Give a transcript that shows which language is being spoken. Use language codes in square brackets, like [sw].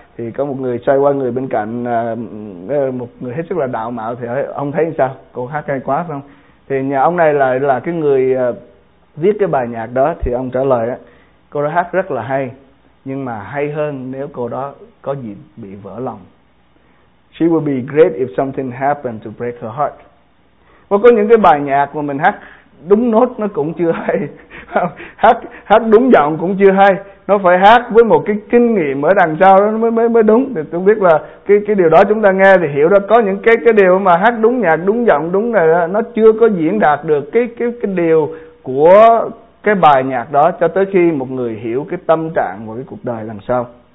[vi] Thì có một người xoay qua người bên cạnh, một người hết sức là đạo mạo, thì ông thấy sao, cô hát hay quá không? Thì nhà ông này là cái người viết cái bài nhạc đó. Thì ông trả lời: cô đó hát rất là hay, nhưng mà hay hơn nếu cô đó có gì bị vỡ lòng. [en] She will be great if something happened to break her heart. [vi] Và có những cái bài nhạc mà mình hát đúng nốt nó cũng chưa hay, hát đúng giọng cũng chưa hay, nó phải hát với một cái kinh nghiệm ở đằng sau đó mới đúng. Thì tôi biết là cái điều đó chúng ta nghe thì hiểu đó, có những cái điều mà hát đúng nhạc, đúng giọng, đúng này đó, nó chưa có diễn đạt được cái điều của cái bài nhạc đó cho tới khi một người hiểu cái tâm trạng của cái cuộc đời đằng sau.